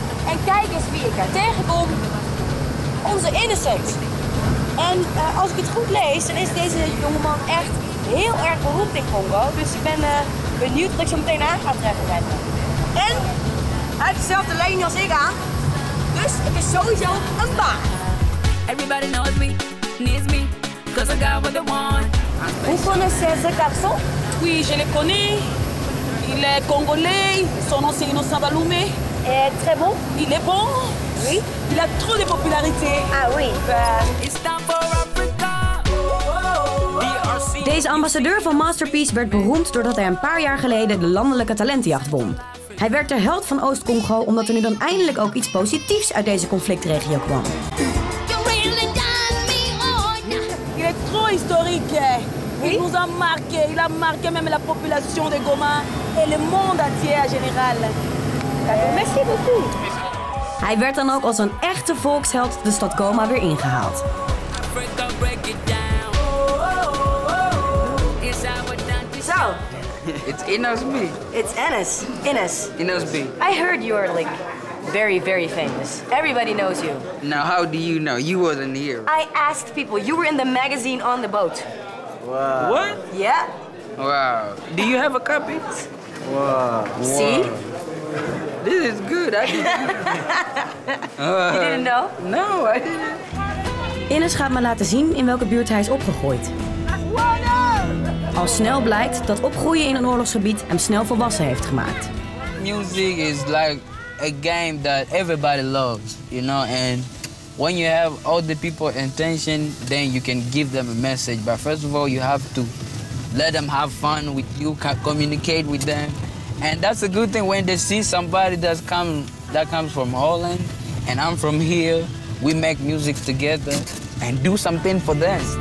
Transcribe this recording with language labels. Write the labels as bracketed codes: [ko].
[nl] En kijk eens wie ik er tegenkom. Onze Innocent. En als ik het goed lees, dan is deze jongeman echt heel erg beroemd in Congo. Dus ik ben benieuwd dat ik zo meteen aan ga treffen met hem. En hij heeft dezelfde lening als ik aan. Dus het is sowieso een baan. [en] Everybody knows me, needs me, cause I got what they want. [nl] Hoe [fr] connaissez ce garçon? Oui, je le connais. Il est congolais. Son nom c'est Innocent Baloumé. Et très bon. Il est bon. Oui. Il a trop de popularité. Ah oui. [nl] Deze ambassadeur van Masterpiece werd beroemd doordat hij een paar jaar geleden de landelijke talentenjacht won. Hij werd de held van Oost-Congo omdat er nu dan eindelijk ook iets positiefs uit deze conflictregio kwam. [fr] Historique. Il nous a marqué, il a marqué même la population de Goma et le monde entier en général. Merci beaucoup. [nl] Hij werd dan ook als een echte volksheld de stad Goma weer ingehaald. Zo. [en] It's Innos B. It's Ennis. Innes. Innos B. I heard you are like very, very famous. Everybody knows you. Now, how do you know? You wasn't here. I asked people. You were in the magazine on the boat. Wow. What? Yeah. Wow. Do you have a copy? Wow. See? Wow. This is good. I didn't know. You didn't know? No, I didn't. [nl] Ines gaat me laten zien in welke buurt hij is opgegroeid. Al snel blijkt dat opgroeien in een oorlogsgebied hem snel volwassen heeft gemaakt. [en] Music is like a game that everybody loves, you know, and when you have all the people intention, then you can give them a message. But first of all, you have to let them have fun with you, communicate with them. And that's a good thing when they see somebody that comes from Holland, and I'm from here, we make music together and do something for them.